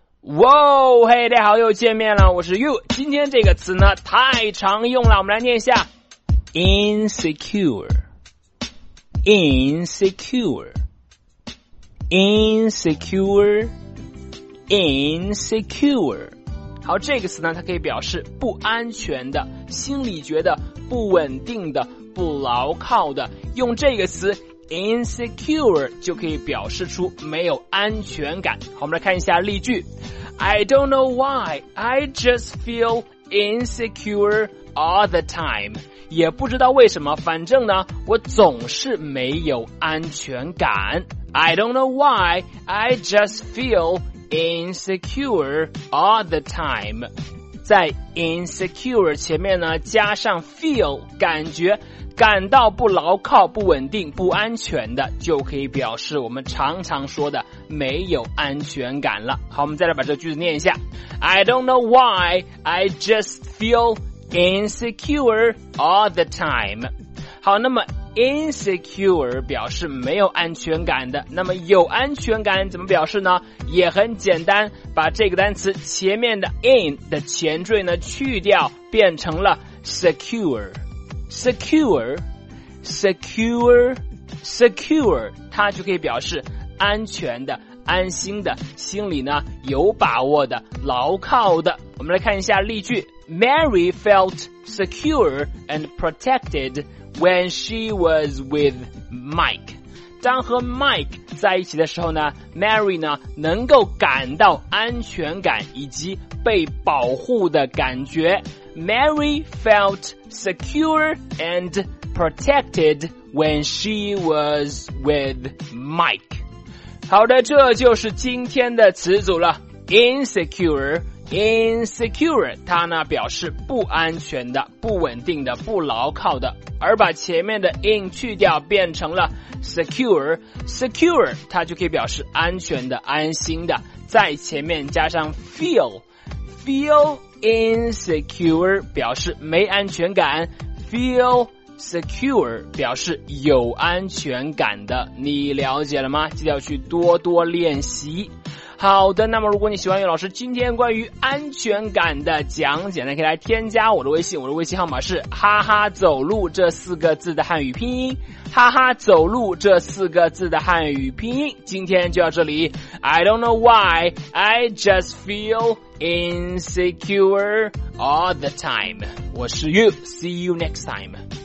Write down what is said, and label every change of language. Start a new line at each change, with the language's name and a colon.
Chinese: 哇哦，嘿，大家好，又见面了，我是 You。今天这个词呢太常用了，我们来念一下 Insecure Insecure Insecure Insecure。好，这个词呢它可以表示不安全的，心里觉得不稳定的，不牢靠的，用这个词Insecure 就可以表示出没有安全感。好，我们来看一下例句。
English: I don't know why I just feel insecure all the time。
Chinese: 也不知道为什么，反正呢我总是没有安全感。
English: I don't know why I just feel insecure all the time。
Chinese: 在 insecure 前面呢加上 feel 感觉，感到不牢靠、不稳定、不安全的，就可以表示我们常常说的没有安全感了。好，我们再来把这句子念一下。
English: I don't know why I just feel insecure all the time。
Chinese: 好，那么 insecure 表示没有安全感的，那么有安全感怎么表示呢？也很简单，把这个单词前面的 in 的前缀呢去掉，变成了 secureSecure, secure, secure, 它就可以表示安全的、安心的、心里呢有把握的、牢靠的。我们来看一下例句。
English: Mary felt secure and protected when she was with Mike.
Chinese: 当和 Mike 在一起的时候呢， Mary 呢能够感到安全感以及被保护的感觉。
English: Mary felt secure and protected when she was with Mike.
Chinese: 好的，这就是今天的词组了。Insecure, insecure, 它呢表示不安全的、不稳定的、不牢靠的。而把前面的 in 去掉变成了 secure, secure, 它就可以表示安全的、安心的。在前面加上 feel, feel,insecure 表示没安全感， feel secure 表示有安全感的，你了解了吗？记得要去多多练习。好的，那么如果你喜欢岳老师今天关于安全感的讲解呢，可以来添加我的微信，我的微信号码是哈哈走路这四个字的汉语拼音，哈哈走路这四个字的汉语拼音。今天就到这里，
English: I don't know why I just feel insecure all the time。
Chinese: 我是
English: You, see you next time。